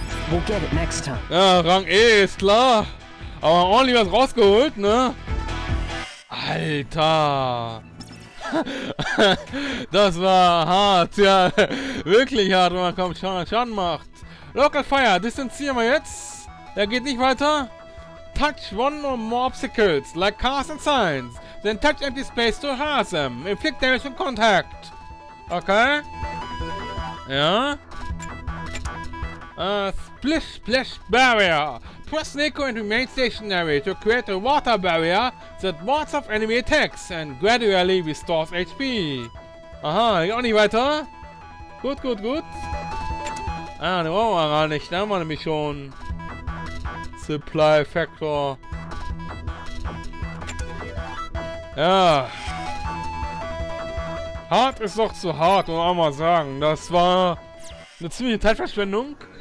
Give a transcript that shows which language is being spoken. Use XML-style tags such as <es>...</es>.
<en>We'll get it next time.</en> <de>Ja, Rang E ist klar. Aber ordentlich was rausgeholt, ne? Alter! Das war hart, ja, wirklich hart, wenn man kaum Schaden macht. Local Fire, distanzieren wir jetzt. Er geht nicht weiter.</de> <en>Touch one or more obstacles, like cars and signs. Then touch empty space to harass them. Inflict damage from contact. Okay. Ja. Splish Splash Barrier. Press Nico and remain stationary to create a water barrier that wards off enemy attacks and gradually restores HP.</en> <de>Aha, geht auch nicht weiter. Gut, gut, gut. Ah, den brauchen wir gar nicht. Da haben wir nämlich schon Supply Factor. Ja. Hart ist doch zu hart, muss man mal sagen. Das war eine ziemliche Zeitverschwendung.</de>